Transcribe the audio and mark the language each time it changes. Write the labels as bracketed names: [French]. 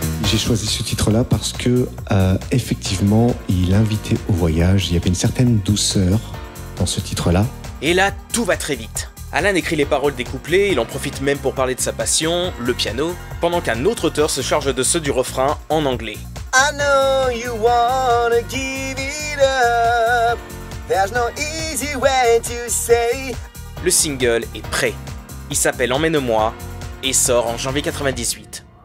[French] J'ai choisi ce titre-là parce que, effectivement, il invitait au voyage. Il y avait une certaine douceur dans ce titre-là. Et là, tout va très vite. Alan écrit les paroles des couplets, il en profite même pour parler de sa passion, le piano, pendant qu'un autre auteur se charge de ceux du refrain en anglais. [English] I know you wanna give it up. There's no easy way to say. [French] Le single est prêt. Il s'appelle Emmène-moi et sort en janvier 98.